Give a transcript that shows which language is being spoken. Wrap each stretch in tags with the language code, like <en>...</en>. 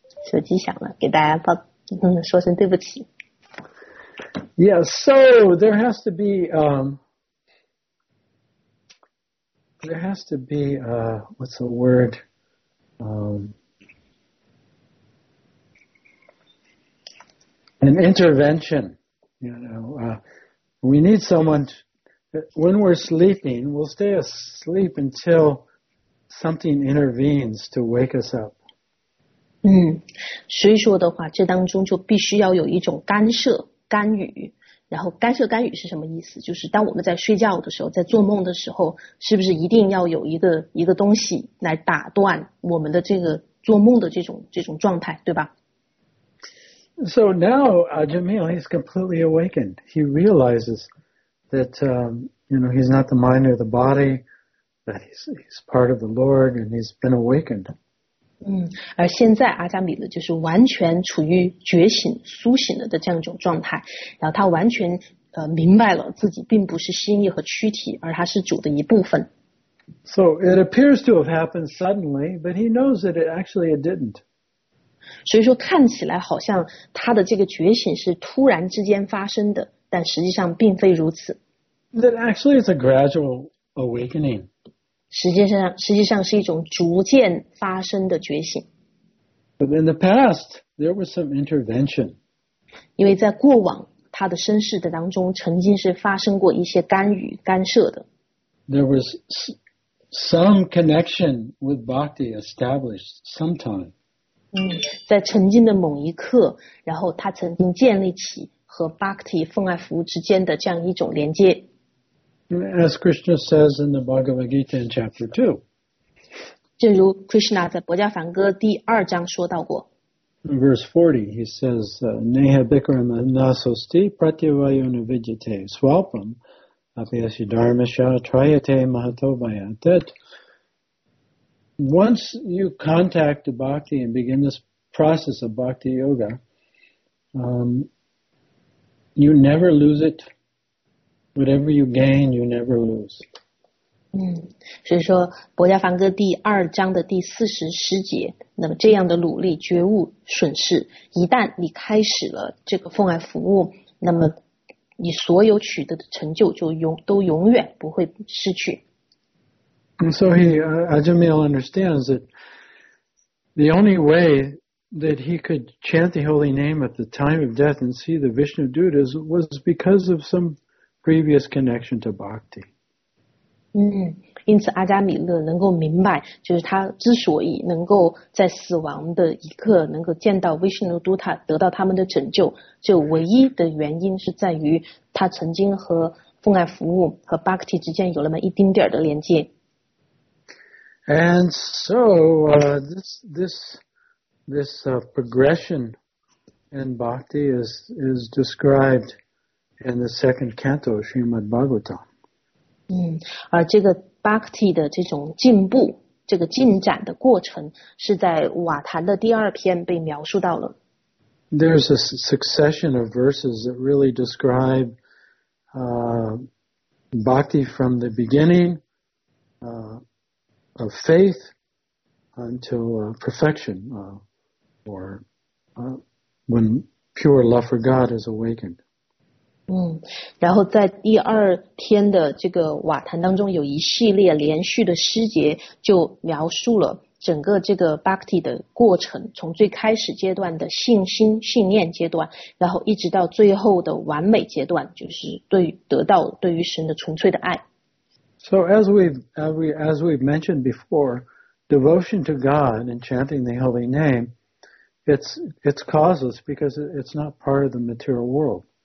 <zh>手机响了，给大家说声对不起。</zh> <en>Yeah, so there has to be what's the word? An intervention. You know, we need someone when we're sleeping, we'll stay asleep until something intervenes to wake us up.</en> <zh>所以说的话，这当中就必须要有一种干涉干预。然后干涉干预是什么意思？就是当我们在睡觉的时候，在做梦的时候，是不是一定要有一个东西来打断我们的这个做梦的这种状态，对吧？</zh> <en>So now, Jamil is completely awakened. He realizes that, you know, he's not the mind or the body, that he's part of the Lord, and he's been awakened.</en> <zh>而现在阿加米勒就是完全处于觉醒、苏醒了的这样一种状态，然后他完全明白了自己并不是心意和躯体，而他是主的一部分。</zh> <en>So it appears to have happened suddenly, but he knows that it didn't.</en> <zh>所以说看起来好像他的这个觉醒是突然之间发生的，但实际上并非如此。</zh> <en>That actually is a gradual awakening.</en> <zh>实际上是一种逐渐发生的觉醒。</zh> <en>But in the past, there was some intervention.</en> <zh>因为在过往他的身世的当中曾经是发生过一些干预干涉的。</zh> <en>There was some connection with bhakti established sometime.</en> <zh>在曾经的某一刻，然后他曾经建立起和 bhakti 奉爱服务之间的这样一种连接。</zh> <en>As Krishna says in the Bhagavad Gita in chapter 2.</en> <zh>正如 Krishna 在薄伽梵歌第二章说到过。</zh> <en>Verse 40, he says,</en> <sa>Neha bhikkhum nasosti pratyavayona vijjate svalpam apyasi dharmasya trayate mahatobaya.</sa> <en>That once you contact bhakti and begin this process of bhakti yoga, you never lose it. Whatever you gain, you never lose.</en> <zh>所以说博伽梵歌第二章的第四十诗节，那么这样的努力绝无损失，一旦你开始了这个奉爱服务，那么你所有取得的成就就都永远不会失去。</zh> <en>And so Ajamil understands that the only way that he could chant the holy name at the time of death and see the Vishnu Dutas was because of some previous connection to bhakti.</en> <zh>因此阿加米勒能够明白，就是他之所以能够在死亡的一刻能够见到 Vishnu Dutta 得到他们的拯救，就唯一的原因是在于他曾经和奉爱服务和 Bhakti 之间有那么一丁点的连接。</zh> <en>And so this progression in Bhakti is described in the second canto of Srimad Bhagavatam.</en> <zh>而这个 Bhakti 的这种进步，这个进展的过程，是在瓦坛的第二篇被描述到了。</zh> <en>There's a succession of verses that really describe Bhakti from the beginning of faith until perfection, when pure love for God is awakened.</en> <zh>然后在第二天的这个瓦坛当中有一系列连续的诗节就描述了整个这个 Bhakti 的过程，从最开始阶段的信心信念阶段，然后一直到最后的完美阶段，就是对得到对于神的纯粹的爱。</zh> <en>So as we've mentioned before, devotion to God and chanting the holy name, it's causeless because it's not part of the material world.</en>